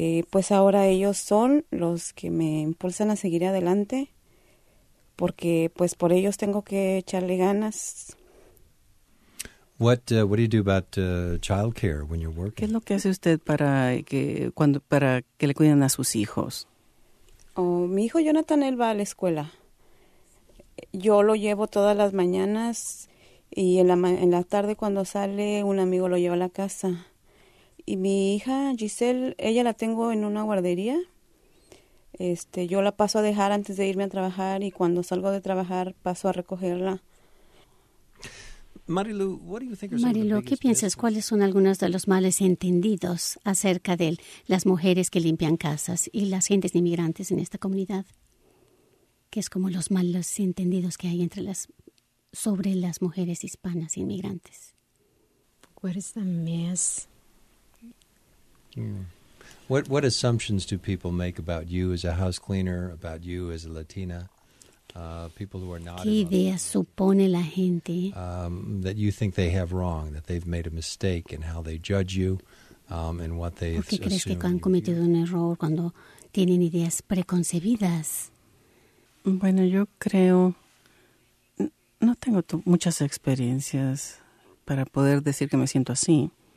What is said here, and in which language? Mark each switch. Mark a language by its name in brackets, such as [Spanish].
[Spanish] Pues ahora ellos son los que me impulsan a seguir adelante, porque pues por ellos tengo que echarle ganas. [English] What do you do about childcare when you're working? [Spanish] ¿Qué es lo que hace usted para que le cuiden a sus hijos? Mi hijo Jonathan, él va a la escuela. Yo lo llevo todas las mañanas y en la tarde cuando sale un amigo lo lleva a la casa. Y mi hija Giselle, ella la tengo en una guardería. Yo la paso a dejar antes de irme a trabajar y cuando salgo de trabajar paso a recogerla. Marilu, ¿qué piensas? ¿Cuáles son algunos de los males entendidos acerca de las mujeres que limpian casas y las gentes inmigrantes en esta comunidad? ¿Qué es como los males entendidos que hay sobre las mujeres hispanas inmigrantes? [English] What is the mess? What assumptions do people make about you as a house cleaner, about you as a Latina? People who are not [Spanish] ¿Qué idea supone la gente? [English] That you think they have wrong, that they've made a mistake in how they judge you and what they assume. [Spanish] ¿O qué crees que han cometido un error cuando tienen ideas preconcebidas? Bueno, yo creo, no tengo muchas experiencias para poder decir que me siento así.